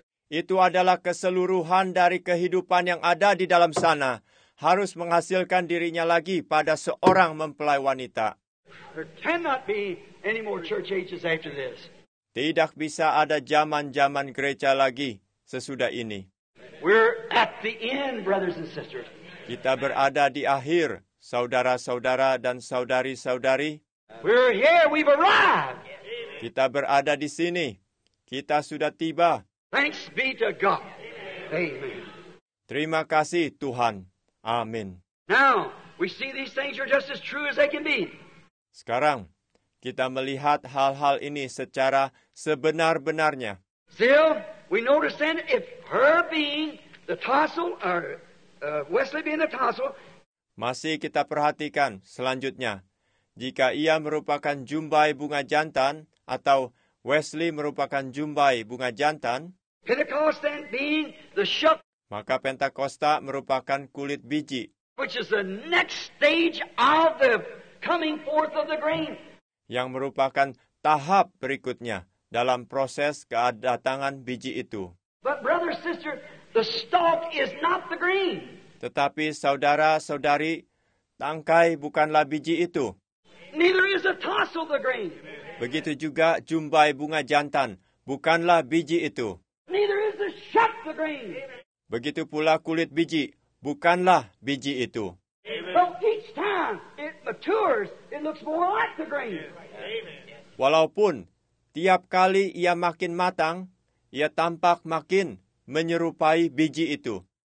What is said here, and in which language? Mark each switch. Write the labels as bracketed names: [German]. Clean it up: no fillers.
[Indonesian] Itu adalah keseluruhan dari kehidupan yang ada di dalam sana. Harus menghasilkan dirinya lagi pada seorang mempelai wanita. [English] There cannot be any more church ages after this. [Indonesian] Tidak bisa ada zaman-zaman gereja lagi sesudah ini. [English] We're at the end, brothers and sisters. [Indonesian] Kita berada di akhir, saudara-saudara dan saudari-saudari. [English] We're here, we've arrived. [Indonesian] Kita berada di sini. Kita sudah tiba. [English] Thanks be to God. Amen. [Indonesian] Terima kasih Tuhan. Amin. [English] Now, we see these things are just as true as they can be. [Indonesian] Sekarang, kita melihat hal-hal ini secara sebenar-benarnya. [English] Still, we notice then if her being the tassel, or Wesley being the tassel. [Indonesian] Masih kita perhatikan selanjutnya. Jika ia merupakan jumbai bunga jantan, atau Wesley merupakan jumbai bunga jantan. [English] Pentecost then being the shuck. [Indonesian] Maka Pentakosta merupakan kulit biji. [English] Which is the next stage of the coming forth of the grain. [Indonesian] Yang merupakan tahap berikutnya dalam proses kedatangan biji itu. [English] But brother, sister, the stalk is not the grain. [Indonesian] Tetapi saudara-saudari, tangkai bukanlah biji itu. [English] Neither is a tassel the grain. [Indonesian] Begitu juga jumbai bunga jantan, bukanlah biji itu. [English] Neither is the shuck the grain. [Indonesian] Begitu pula kulit biji, bukanlah biji itu. [English] Amen. But each time it matures, it looks more like the grain. Amen. [Indonesian] Walaupun tiap kali ia makin matang, ia tampak makin menyerupai biji itu.